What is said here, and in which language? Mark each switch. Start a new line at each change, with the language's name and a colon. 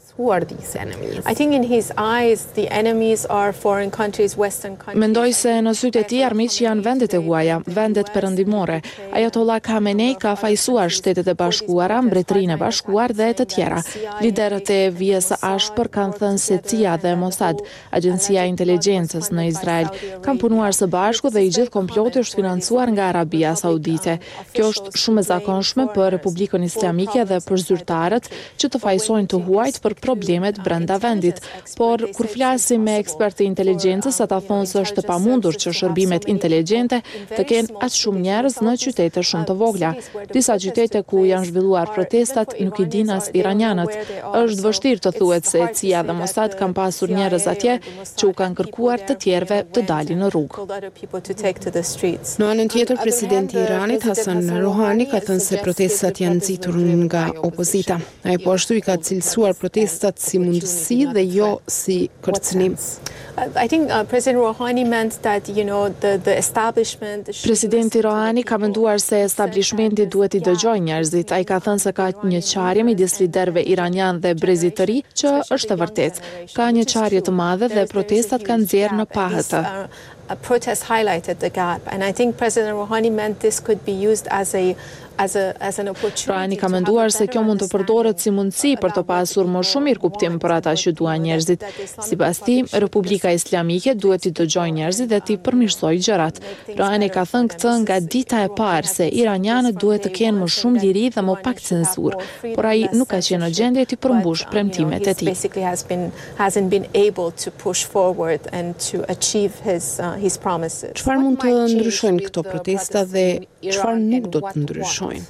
English: Who are these enemies? I think in his eyes the enemies are foreign countries, western countries.
Albanian: Mendoj se në sytë e tij armiq janë vendet e huaja, vendet perëndimore. Ayatollah Khamenei ka fajsuar Shtetet e Bashkuara, Mbretërinë e Bashkuar dhe të tjera. Liderët e vijës së ashpër kanë thënë se CIA dhe Mossad, agjencia e inteligjencës në Izrael, kanë punuar së bashku dhe i gjithë komploti është financuar nga Arabia Saudite. Kjo është shumë e zakonshme për Republikën Islamike dhe për zyrtarët që të fajsojnë të huajt për problemet brenda vendit. Por, kur flasim me ekspertë inteligjencës, ata thonë se është pamundur që shërbimet inteligjente të kenë atë shumë njerëz në qytete shumë të vogla. Disa qytete ku janë zhvilluar protestat nuk i dinë as iranianët. Është vështirë të thuhet se CIA dhe Mossad kanë pasur njerëz atje që u kanë kërkuar të tjerëve të dalin në rrugë. Në anën tjetër, presidenti i Iranit Hasan Rouhani ka thënë se protestat janë nxitur nga opozita. Ai po ashtu i ka cilësuar protestat si mundësi dhe jo si kërcënim.
English: I think President Rouhani meant that you know the establishment.
Albanian: Presidenti Rouhani ka menduar se establishmenti duhet i dëgjojë njerëzit. Ai ka thënë se ka një çarje midis liderëve iranian dhe brezit të ri që është e vërtetë. Ka një çarje të madhe dhe protestat kanë nxjerrë në pahëtë.
English: A protest highlighted the gap and I think President Rouhani meant this could be used as an opportunity.
Albanian: Rouhani ka menduar se kjo mund të përdoret si mundësi për të pasur më shumë mirë kuptim për ata që duan njerëzit. Sipas tij, Republika Islamike duhet të dëgjojë njerëzit dhe të përmirësojë gjërat. Rouhani ka thënë këtë nga dita e parë se iranianët duhet të kenë më shumë liri dhe më pak censur, por ai nuk ka qenë në gjendje të përmbush premtimet e tij.
English: Basically hasn't been able to push forward and to achieve his promises.
Albanian: Çfarë mund të ndryshojnë këto protesta dhe çfarë nuk do të ndryshojnë?